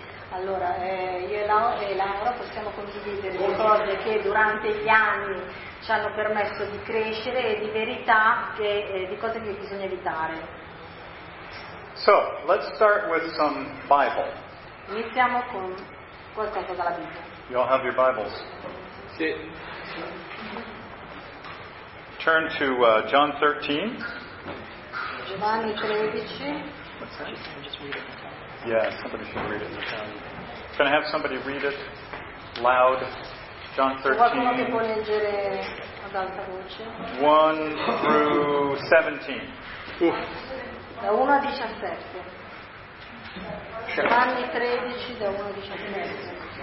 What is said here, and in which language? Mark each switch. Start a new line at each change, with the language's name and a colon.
Italian: Allora, io e Laura possiamo condividere le cose che durante gli anni ci hanno permesso di crescere e di verità che di cose che bisogna evitare.
English: So, let's start with some Bible.
Italian: Iniziamo con qualcosa dalla Bibbia.
English: You all have your Bibles.
Italian: Sì.
English: Turn to John 13.
Italian: Giovanni 13.
English: Yeah, somebody should read it. Can I have somebody read it loud? John 13.
Italian: Qualcuno può leggere ad alta voce.
English: 1 through 17.
Italian: Da 1 a 17. Giovanni 13 da 1 a 17.